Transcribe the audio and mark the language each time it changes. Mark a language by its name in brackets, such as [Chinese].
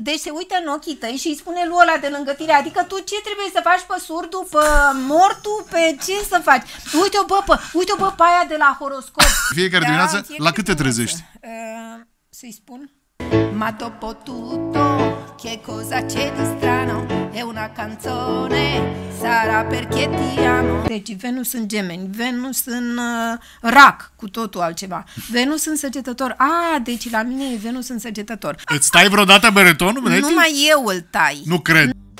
[Romanian] Deci se uită în ochii tăi și îi spune lui ăla de lângă tine. Adică tu ce trebuie să faci pe surdul, pe mortul, pe ce să faci? Uite-o, bă, pe, uite-o, bă, pe aia de la horoscop. Fiecare dimineață, la cât te trezești? Să-i spun. [Italian] Ma to potuto, che cosa c'è di strano, è una canzone, sarà perché ti amo. [Romanian] Deci Venus în Gemeni, Venus în Rac, cu totul altceva. Venus în Săgetător. Ah, deci la mine e Venus în Săgetător. Îți tai vreodată beretonul, Meneti? Numai eu îl tai. Nu cred.